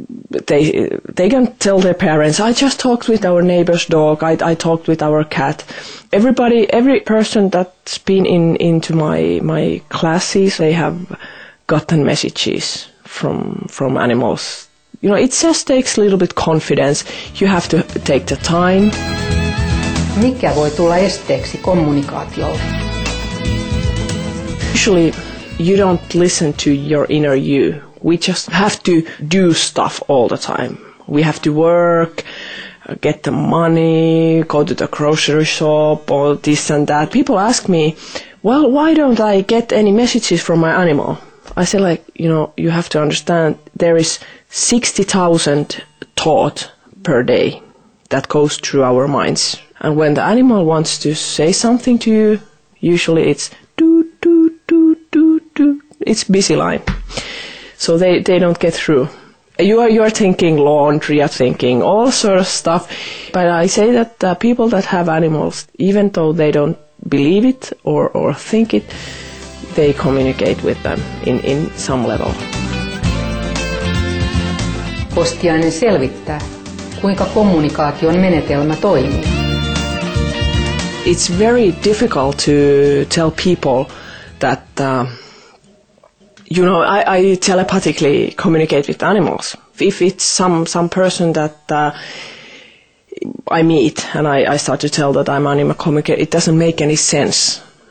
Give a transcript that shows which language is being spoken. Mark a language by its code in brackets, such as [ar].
[en] They can tell their parents, I just talked with our neighbor's dog, I talked with our cat. Every person that's been into my classes, they have gotten messages from animals. You know, it just takes a little bit confidence. You have to take the time. [fi] Mikä voi tulla esteeksi kommunikaatiolle? [en] Usually you don't listen to your inner you. We just have to do stuff all the time. We have to work, get the money, go to the grocery shop, or this and that. People ask me, well, why don't I get any messages from my animal? I say, like, you know, you have to understand there is 60,000 thoughts per day that goes through our minds. And when the animal wants to say something to you, usually it's doot, doot, doot, doot, doot. It's busy line. So they don't get through. You are thinking laundry, you're thinking all sort of stuff. But I say that people that have animals, even though they don't believe it or think it, they communicate with them in some level. [fi] Kostiainen selvittää, kuinka kommunikaation menetelmä toimii. [en] It's very difficult to tell people that, you know, I telepathically communicate with animals. If it's some person that I meet and I start to tell that I'm animal communicate, it doesn't make any sense.